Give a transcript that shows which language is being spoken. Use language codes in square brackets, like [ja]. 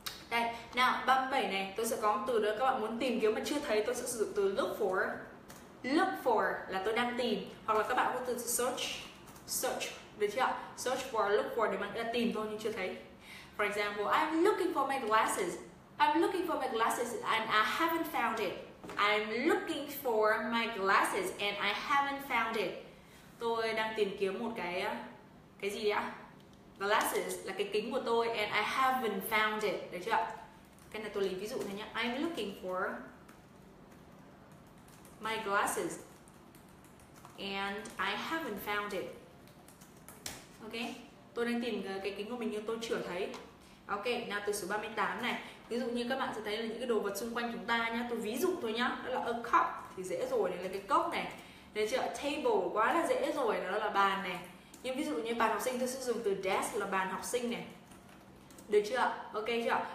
[vi] Đây, now 37 này. Tôi sẽ có một từ đó các bạn muốn tìm kiếm mà chưa thấy. Tôi sẽ sử dụng từ look for. Look for là tôi đang tìm. Hoặc là các bạn có từ search. Search, được chưa? Search for, look for để mà nghĩa là tìm thôi nhưng chưa thấy. [en] For example, I'm looking for my glasses. I'm looking for my glasses and I haven't found it. I'm looking for my glasses and I haven't found it. [vi] Tôi đang tìm kiếm một cái gì ạ? Glasses là cái kính của tôi [en] and I haven't found it, [vi] được chưa? Cái này tôi lấy ví dụ thôi nhá. [en] I'm looking for my glasses and I haven't found it. [vi] Ok, tôi đang tìm cái kính của mình nhưng tôi chưa thấy. Ok, nào từ số 38 này. Ví dụ như các bạn sẽ thấy là những cái đồ vật xung quanh chúng ta nhá. Tôi ví dụ thôi nhá. Đó là a cup thì dễ rồi, đấy là cái cốc này. Đấy chưa, table quá là dễ rồi, đó là bàn này. Nhưng ví dụ như bàn học sinh, tôi sẽ dùng từ desk là bàn học sinh này. Được chưa, ok chưa.